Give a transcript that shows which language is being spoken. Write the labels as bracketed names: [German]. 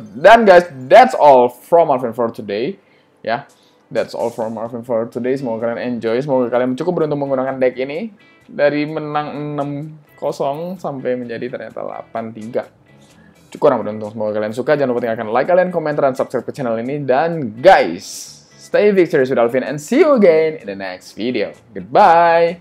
[English] Dan guys, that's all from Marvin for today. Ya, yeah, that's all from Marvin for today. [Indonesian] Semoga kalian enjoy. Semoga kalian cukup beruntung menggunakan deck ini. Dari menang 6-0 sampai menjadi ternyata 8-3. Cukup orang beruntung. Semoga kalian suka. Jangan lupa tinggalkan like kalian, komentar, dan subscribe ke channel ini. [English] Dan guys, stay victorious with Alvin. And see you again in the next video. Goodbye.